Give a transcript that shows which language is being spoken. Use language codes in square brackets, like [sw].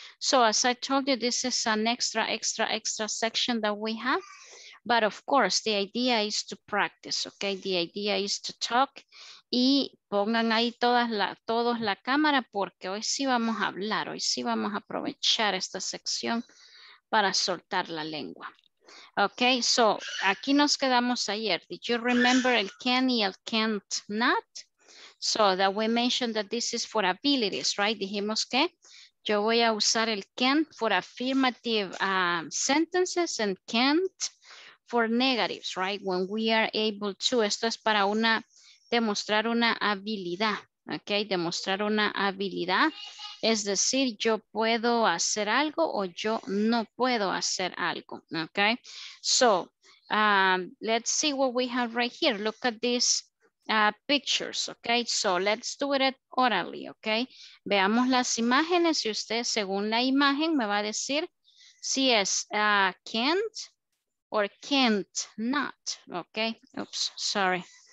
[en] So as I told you, this is an extra section that we have. But of course, the idea is to practice, okay? The idea is to talk. [es] Y pongan ahí todos la cámara porque hoy sí vamos a hablar, hoy sí vamos a aprovechar esta sección para soltar la lengua. Okay, so aquí nos quedamos ayer. [en] Did you remember [es] el can y el [en] can't not? So that we mentioned that this is for abilities, right? [es] Dijimos que yo voy a usar el can [en] for affirmative sentences and can't for negatives, right? When we are able to. [es] Esto es para una demostrar una habilidad, okay? Demostrar una habilidad. Es decir, yo puedo hacer algo o yo no puedo hacer algo, okay? [en] So, let's see what we have right here. Look at these pictures, okay? So, let's do it orally, okay? [es] Veamos las imágenes y usted según la imagen me va a decir si es can't [en] or can't not, [es] okay? Oops, sorry.